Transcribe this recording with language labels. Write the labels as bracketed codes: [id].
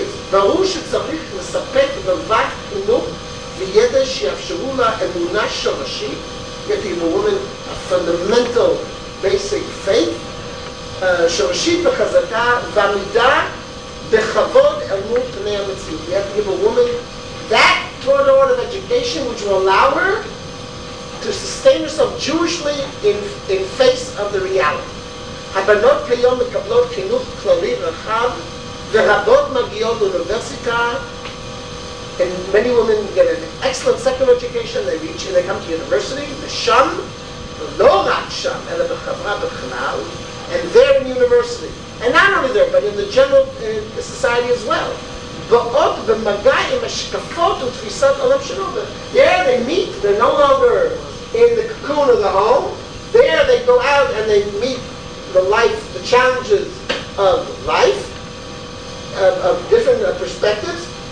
[he] ברור שצריך לספק רווח חינוך וידע שיאפשרו לה אמונה שורשית, [en] get the woman a fundamental basic faith, [he] שורשית וחזקה ועמידה בכבוד אל מול פני המציאות. [en] We have to give a woman that toward the order of education which will allow her to sustain herself Jewishly in face of the reality. [he] הבנות כיום מקבלות חינוך כללי רחב ורבות מגיעות לאוניברסיטה. [en] And many women get an excellent secular education, they come to university, [he] ושם, לא רק שם, אלא בחברה בכלל, [en] and there in university, and not only there, but in the general society as well. [he] ועוד במגע עם השקפות ותפיסת עולם שלו. [en] There they meet, they're no longer in the cocoon of the home, there they go out and they meet the life, the challenges of life, of different perspectives.